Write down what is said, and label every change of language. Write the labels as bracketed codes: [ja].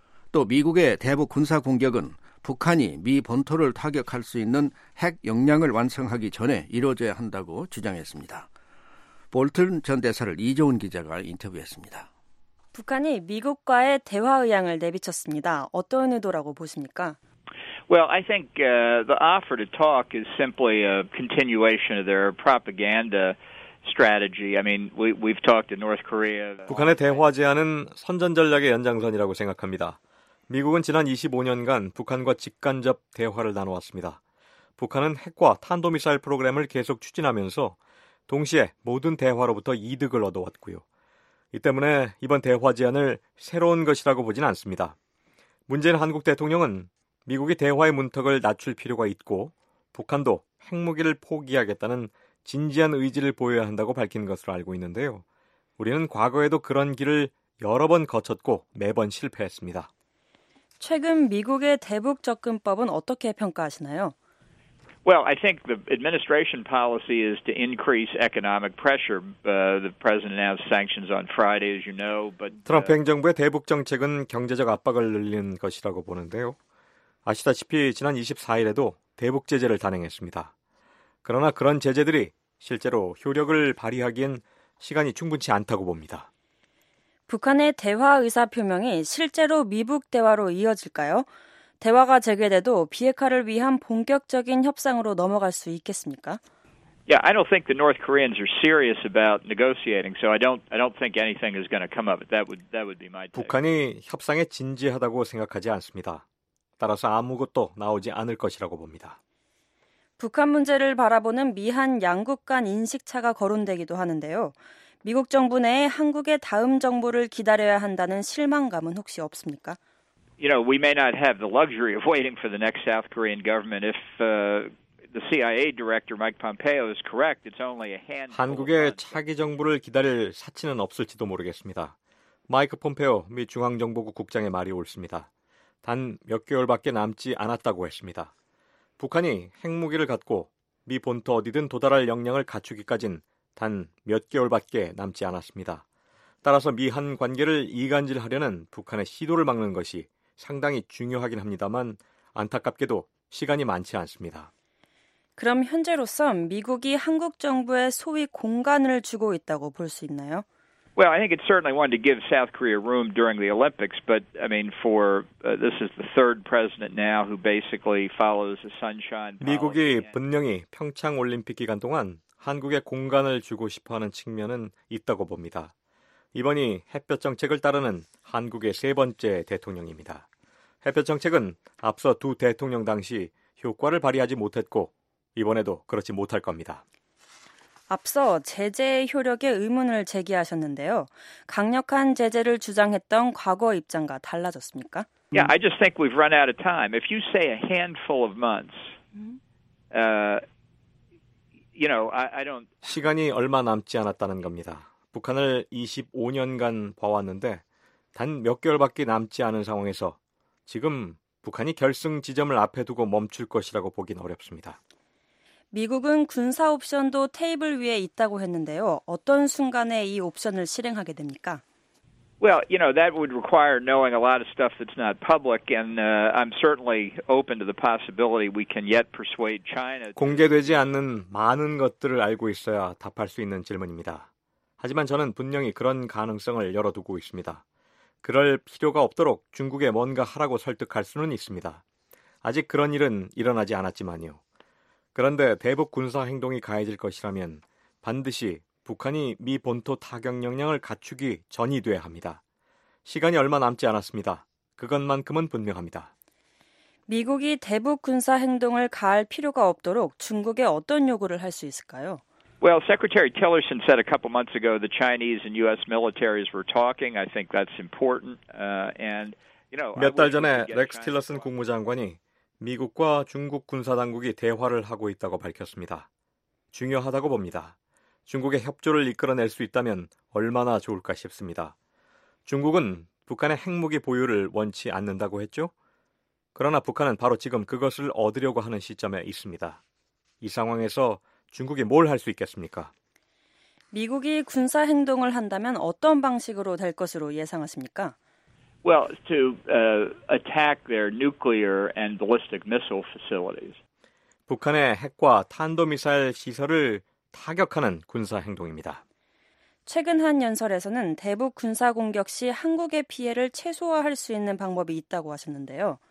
[ko] 또 미국의 대북 군사 공격은 북한이 미 본토를 타격할 수 있는 핵 역량을 완성하기 전에 이루어져야 한다고 주장했습니다. 볼튼 전 대사를 이종훈 기자가 인터뷰했습니다. 북한이 미국과의 대화 의향을 내비쳤습니다. 어떤 의도라고 보십니까? [en] Well, I think the offer to talk is simply a continuation of their propaganda strategy. I mean, we've talked to North Korea. [ko] 북한의 대화 제안은 선전 전략의 연장선이라고 생각합니다. 미국은 지난 25년간 북한과 직간접 대화를 나눠왔습니다. 북한은 핵과 탄도미사일 프로그램을 계속 추진하면서 동시에 모든 대화로부터 이득을 얻어왔고요. 이 때문에 이번 대화 제안을 새로운 것이라고 보진 않습니다. 문재인 한국 대통령은 미국이 대화의 문턱을 낮출 필요가 있고 북한도 핵무기를 포기하겠다는 진지한 의지를 보여야 한다고 밝힌 것으로 알고 있는데요. 우리는 과거에도 그런 길을 여러 번 거쳤고 매번 실패했습니다. 최근 미국의 대북 접근법은 어떻게 평가하시나요? [en] Well, I think the administration policy is to increase economic pressure. The president announced sanctions on Friday, as you know. But [ko] 트럼프 행정부의 대북 정책은 경제적 압박을 늘리는 것이라고 보는데요. 아시다시피 지난 24일에도 대북 제재를 단행했습니다. 그러나 그런 제재들이 실제로 효력을 발휘하기엔 시간이 충분치 않다고 봅니다. 북한의 대화 의사 표명이 실제로 미북 대화로 이어질까요? 대화가 재개돼도 비핵화를 위한 본격적인 협상으로 넘어갈 수 있겠습니까? [en] Yeah, I don't think the North Koreans are serious about negotiating, so I don't think anything is going to come up. That would be my take. [ko] 북한이 협상에 진지하다고 생각하지 않습니다. 따라서 아무것도 나오지 않을 것이라고 봅니다. 북한 문제를 바라보는 미한 양국 간 인식차가 거론되기도 하는데요. 미국 정부 내에 한국의 다음 정부를 기다려야 한다는 실망감은 혹시 없습니까? [en] You know, we may not have the luxury of waiting for the next South Korean government if the CIA director Mike Pompeo is correct. It's only a handful. [ko] 한국의 차기 정부를 기다릴 사치는 없을지도 모르겠습니다. 마이크 폼페오 미 중앙정보국 국장의 말이 옳습니다. 단 몇 개월밖에 남지 않았다고 했습니다. 북한이 핵무기를 갖고 미 본토 어디든 도달할 역량을 갖추기까지는 단 몇 개월밖에 남지 않았습니다. 따라서 미한 관계를 이간질하려는 북한의 시도를 막는 것이 상당히 중요하긴 합니다만 안타깝게도 시간이 많지 않습니다. 그럼 현재로선 미국이 한국 정부에 소위 공간을 주고 있다고 볼 수 있나요? [en] Well, I think it certainly wanted to give South Korea room during the Olympics, but I mean, for this is the third president now who basically follows the sunshine. [ko] 미국이 분명히 평창 올림픽 기간 동안 한국에 공간을 주고 싶어하는 측면은 있다고 봅니다. 이번이 햇볕 정책을 따르는 한국의 세 번째 대통령입니다. 햇볕 정책은 앞서 두 대통령 당시 효과를 발휘하지 못했고 이번에도 그렇지 못할 겁니다. 앞서 제재의 효력에 의문을 제기하셨는데요. 강력한 제재를 주장했던 과거 입장과 달라졌습니까? [en] Yeah, I just think we've run out of time. If you say a handful of months, you know, I don't. [ko] 시간이 얼마 남지 않았다는 겁니다. 북한을 25년간 봐왔는데 단 몇 개월밖에 남지 않은 상황에서 지금 북한이 결승 지점을 앞에 두고 멈출 것이라고 보긴 어렵습니다. 미국은 군사 옵션도 테이블 위에 있다고 했는데요. 어떤 순간에 이 옵션을 실행하게 됩니까? [en] Well, you know, that would require knowing a lot of stuff that's not public, and I'm certainly open to the possibility we can yet persuade China. [ko] 공개되지 않는 많은 것들을 알고 있어야 답할 수 있는 질문입니다. 하지만 저는 분명히 그런 가능성을 열어두고 있습니다. 그럴 필요가 없도록 중국에 뭔가 하라고 설득할 수는 있습니다. 아직 그런 일은 일어나지 않았지만요. 그런데 대북 군사 행동이 가해질 것이라면 반드시 북한이 미 본토 타격 역량을 갖추기 전이 돼야 합니다. 시간이 얼마 남지 않았습니다. 그것만큼은 분명합니다. 미국이 대북 군사 행동을 가할 필요가 없도록 중국에 어떤 요구를 할 수 있을까요? [en] Well, Secretary Tillerson said a couple months ago the Chinese and U.S. militaries were talking. I think that's important. And you know, [ko] 몇 달 전에 렉스 틸러슨 국무장관이 미국과 중국 군사당국이 대화를 하고 있다고 밝혔습니다. 중요하다고 봅니다. 중국의 협조를 이끌어낼 수 있다면 얼마나 좋을까 싶습니다. 중국은 북한의 핵무기 보유를 원치 않는다고 했죠. 그러나 북한은 바로 지금 그것을 얻으려고 하는 시점에 있습니다. 이 상황에서 중국이 뭘 할 수 있겠습니까? 미국이 군사 행동을 한다면 어떤 방식으로 될 것으로 예상하십니까? [en] Well, to attack their nuclear and ballistic missile facilities. [ko] 북한의 핵과 탄도미사일 시설을 타격하는 군사 행동입니다. 최근 한 연설에서는 대북 군사 공격 시 한국의 피해를 최소화할 수 있는 방법이 있다고 하셨는데요.